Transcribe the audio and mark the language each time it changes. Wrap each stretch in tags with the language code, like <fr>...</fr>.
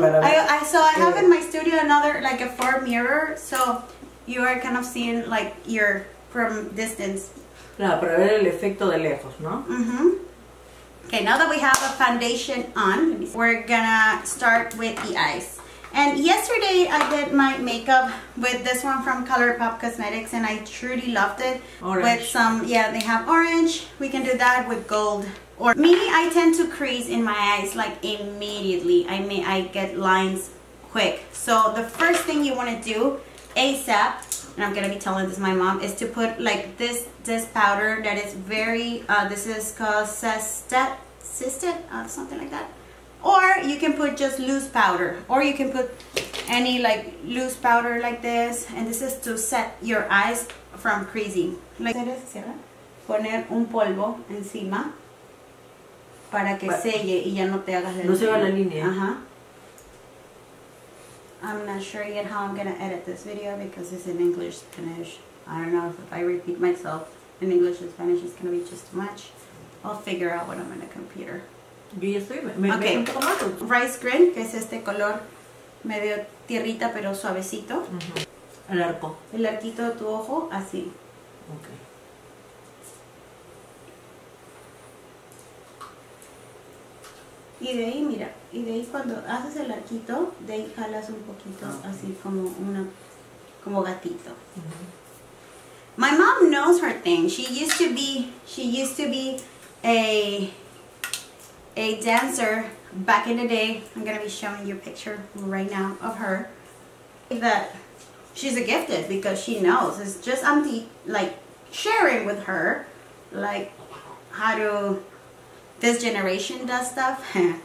<en>I have in my studio another, like a 4 mirror, so you are kind of seeing like your from distance.</en> <es>Claro, para ver el efecto de lejos, ¿no? Mm-hmm.</es> <en>Okay, now that we have a foundation on, we're gonna start with the eyes. And yesterday I did my makeup with this one from ColourPop Cosmetics, and I truly loved it. Orange. With some, yeah, they have orange. We can do that with gold. Or me, I tend to crease in my eyes like immediately. I get lines quick. So the first thing you want to do ASAP, and I'm going to be telling this to my mom, is to put like this powder that is very, this is called Cestet, something like that. Or you can put just loose powder, or you can put any like loose powder like this, and this is to set your eyes from creasing.</en> <es>Like, poner un polvo encima para que selle y ya no te hagas el. No se va la línea. Ajá.</es> <en>I'm not sure yet how I'm gonna edit this video because it's in English, Spanish. I don't know if I repeat myself in English and Spanish, it's gonna be just too much. I'll figure out what I'm on the computer.</en> <es>Yo ya estoy, me Rice green, que es este color medio tierrita pero suavecito. Uh-huh. El arco. El arquito de tu ojo, así. Ok. Y de ahí, mira, y de ahí cuando haces el arquito, de ahí jalas un poquito, okay. Así como una, como gatito. Uh-huh.</es> <en>My mom knows her thing. She used to be a dancer back in the day. I'm gonna be showing you a picture right now of her. That she's a gifted because she knows. It's just like sharing with her, like how do this generation does stuff.</en>